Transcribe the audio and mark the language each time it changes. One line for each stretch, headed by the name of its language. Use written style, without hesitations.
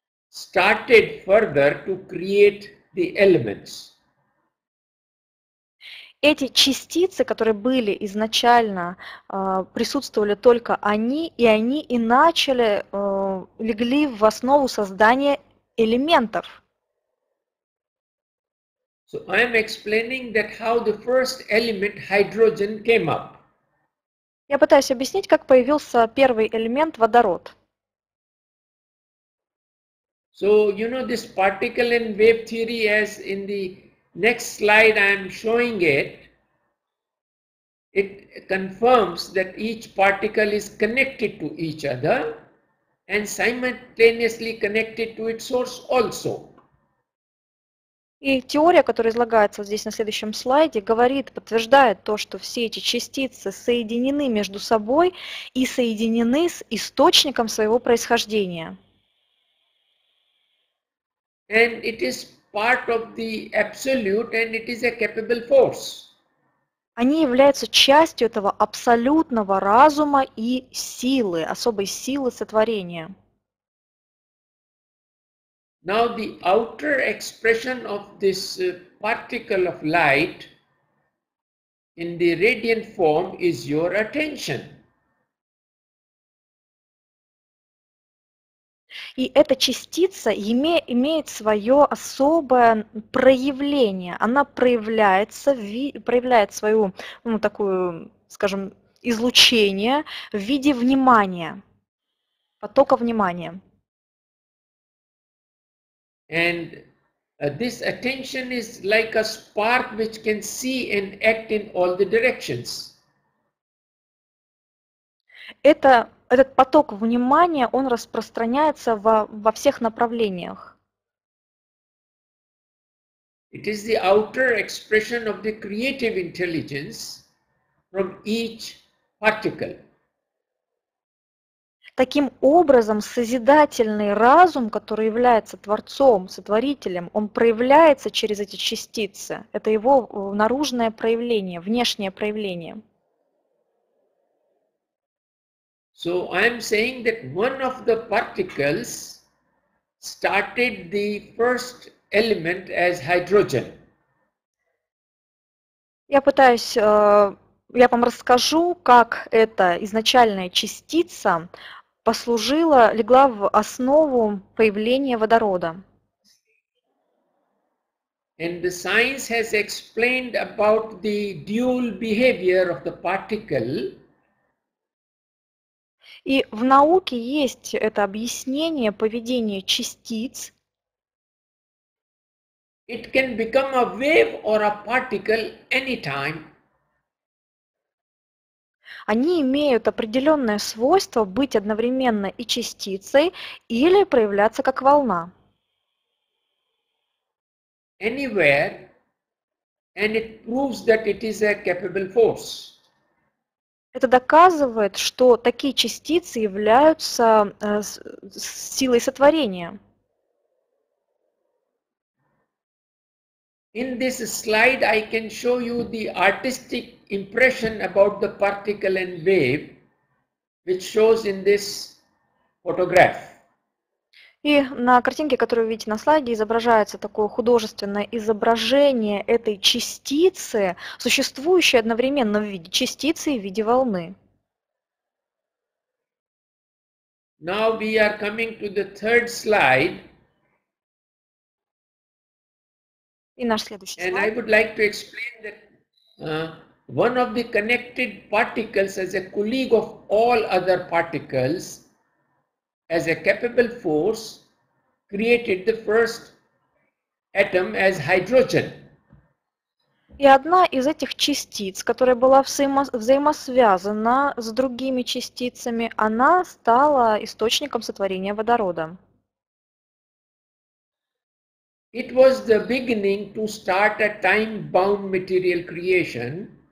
English: Started further to create the elements.
Russian: Эти частицы, которые были изначально, присутствовали только они, и они и начали, легли в основу создания элементов.
English: So I am explaining that how the first element, hydrogen, came up.
Russian: Я пытаюсь объяснить, как появился первый элемент, водород.
English: So, you know, this particle and wave theory, as in the next slide I am showing it, it confirms that each particle is connected to each other and simultaneously connected to its source also.
Russian: И теория, которая излагается здесь на следующем слайде, говорит, подтверждает то, что все эти частицы соединены между собой и соединены с источником своего происхождения.
English: And it is part of the absolute, and it is a capable force.
Russian: Они являются частью этого абсолютного разума и силы, особой силы сотворения.
English: Now the outer expression of this particle of light in the radiant form is your attention.
Russian: И эта частица имеет свое особое проявление. Она проявляется, проявляет свою, ну, такую, скажем, излучение в виде внимания, потока внимания.
English: And this attention is like a spark which can see and act in all the directions.
Russian: Этот поток внимания, он распространяется во всех направлениях.
English: It is the outer expression of the creative intelligence from each particle.
Russian: Таким образом, созидательный разум, который является творцом, сотворителем, он проявляется через эти частицы. Это его наружное проявление, внешнее проявление.
English: So I am saying that one of the particles started the first element as hydrogen.
Russian: Я вам расскажу, как эта изначальная частица послужила, легла в основу появления водорода.
English: And the science has explained about the dual behavior of the particle.
Russian: И в науке есть это объяснение поведения частиц.
English: It can become a wave or a particle anytime.
Russian: Они имеют определенное свойство быть одновременно и частицей, или проявляться как волна.
English: Anywhere, and it proves that it is a capable force.
Russian: Это доказывает, что такие частицы являются силой сотворения.
English: In this slide I can show you the artistic impression about the particle and wave, which shows in this photograph.
Russian: И на картинке, которую вы видите на слайде, изображается такое художественное изображение этой частицы, существующей одновременно в виде частицы и в виде волны.
English: Now we are coming to the third slide.
Russian: И наш следующий
English: And
Russian: слайд.
English: I would like to explain that one of the connected particles as a colleague of all other particles as a capable force created the first atom as hydrogen.
Russian: И одна из этих частиц, которая была взаимосвязана с другими частицами, она стала источником сотворения водорода.
English: It was the beginning to start a time-bound material creation.